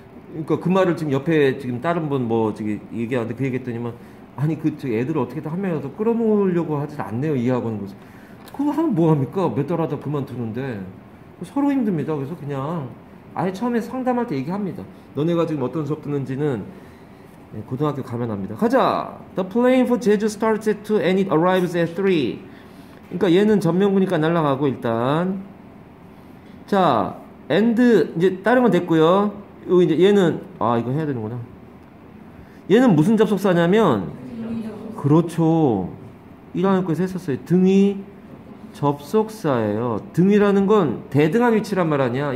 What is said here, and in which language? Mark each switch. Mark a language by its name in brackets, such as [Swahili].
[Korean] 그러니까 그 말을 지금 옆에 지금 다른 분 뭐 저기 얘기하는데 그 얘기했더니만 아니 그 애들을 어떻게든 한 명이라도 끌어모으려고 하진 않네요 이해하고는 거죠. 그거 하면 뭐합니까? 몇 달 하다 그만두는데 서로 힘듭니다. 그래서 그냥 아예 처음에 상담할 때 얘기합니다. 너네가 지금 어떤 수업 듣는지는 고등학교 가면 합니다. 가자! [English] The plane for Jeju starts at 2 and it arrives at 3. [Korean] 그러니까 얘는 전명구니까 날아가고 일단 자 and 이제 다른 건 됐고요. 여기 이제 얘는 아 이거 해야 되는구나. 얘는 무슨 접속사냐면 그렇죠. 1학년까지 했었어요. 등이 접속사예요. 등이라는 건 대등한 위치란 말 아니야.